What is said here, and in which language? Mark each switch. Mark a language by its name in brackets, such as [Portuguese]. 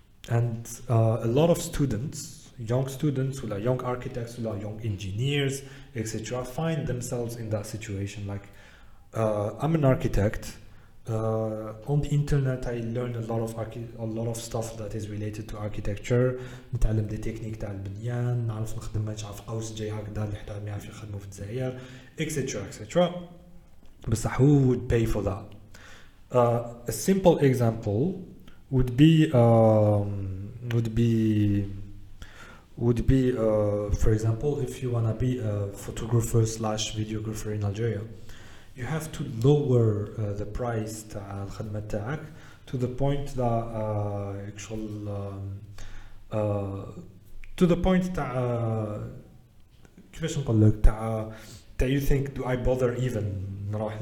[English] And a lot of students, young students, who are young architects, who are young engineers, etc., find themselves in that situation. I'm an architect. On the internet, I learned a lot of stuff that is related to architecture. [Arabic] نتعلم دي تكنيك تاع البنيان, نعرف نخدم ما نعرف قوس جاي هكذا اللي حتى ما يعرف يخدمه في الجزائر, etc. بصح, [English] who would pay for that? A simple example would be, for example, if you wanna be a photographer / videographer in Algeria. You have to lower the price to the point that you think, do I bother even?